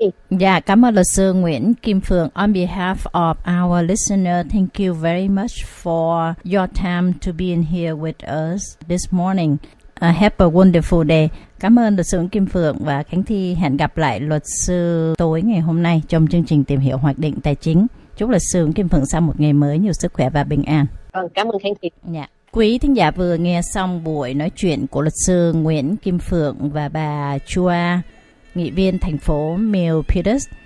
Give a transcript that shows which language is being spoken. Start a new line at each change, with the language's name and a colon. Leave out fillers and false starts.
Vietnamese: Dạ, cảm ơn luật sư Nguyễn Kim Phượng.
English: On behalf of our listener, thank you very much for your time to be in here with us this morning. Have a wonderful day.
Vietnamese: Cảm ơn luật sư Nguyễn Kim Phượng và Khánh Thi. Hẹn gặp lại luật sư tối ngày hôm nay trong chương trình Tìm hiểu hoạch định tài chính. Chúc luật sư Nguyễn Kim Phượng sau một ngày mới nhiều sức khỏe và bình an. Vâng, cảm ơn Khánh Thi. Dạ. Quý thính giả vừa nghe xong buổi nói chuyện của luật sư Nguyễn Kim Phượng và bà Chua, nghị viên thành phố Milpitas.